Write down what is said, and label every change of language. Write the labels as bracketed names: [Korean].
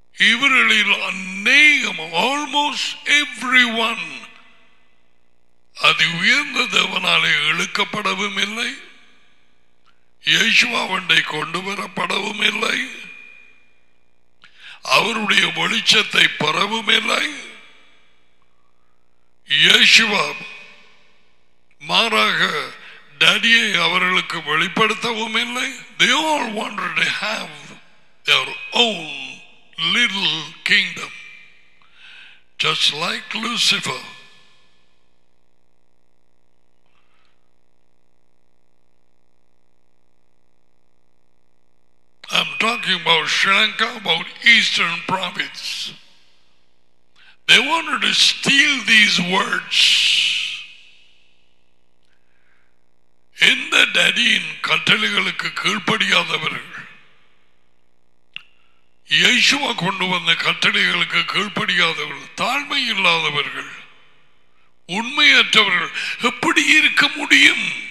[Tamil] இவர்களில் அநேகம், [English] almost every one, [Tamil] அதி உயர்ந்த தேவனாலே இழுக்கப்படவும் இல்லை, யேசுவாவண்டை கொண்டு வரப்படவும் இல்லை, அவருடைய வெளிச்சத்தை பரவும் இல்லை. யேசுவா மாறாக டாடியை அவர்களுக்கு வெளிப்படுத்தவும் இல்லை. [English] They all wanted to have their own little kingdom, just like Lucifer. I'm talking about Sri Lanka, about Eastern province. They wanted to steal these words. [Tamil] எந்த டாடியின் கட்டளைகளுக்கு கீழ்ப்படியாதவர்கள், யேசுவா கொண்டு வந்த கட்டளைகளுக்கு கீழ்ப்படியாதவர்கள், தாழ்மை இல்லாதவர்கள், உண்மையற்றவர்கள், எப்படி இருக்க முடியும்?